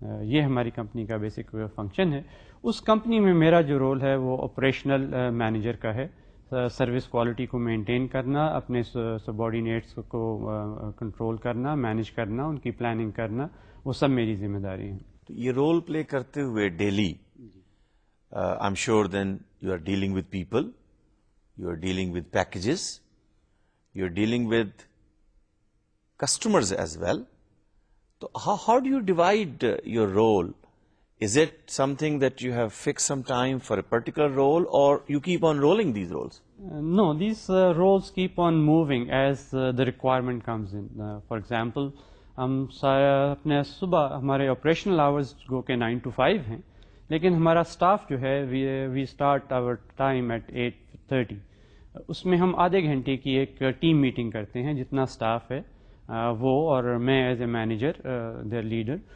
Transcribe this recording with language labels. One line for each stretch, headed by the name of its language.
Urdu: یہ ہماری کمپنی کا بیسک فنکشن ہے. اس کمپنی میں میرا جو رول ہے وہ آپریشنل مینیجر کا ہے, سروس کوالٹی کو مینٹین کرنا, اپنے سبارڈینیٹس کو کنٹرول کرنا, مینیج کرنا, ان کی پلاننگ کرنا, وہ سب میری ذمہ داری ہیں. تو یہ رول پلے کرتے ہوئے
English: Daily I am sure then you are dealing with people, you are dealing with packages, you are dealing with customers as well. تو how do you divide your role? Is it something that you have fixed some time for a particular role or you keep on rolling these roles? No, these roles keep on moving as the requirement comes in. For example,
Urdu: ہم سارا اپنے صبح ہمارے
English: operational hours go کے 9 to 5 ہیں,
Urdu: لیکن ہمارا
English: staff
Urdu: جو ہے
English: we start our time at 8:30.
Urdu: اس میں ہم آدھے گھنٹے کی ایک ٹیم میٹنگ کرتے ہیں جتنا اسٹاف ہے وہ اور میں
English: As a manager their leader.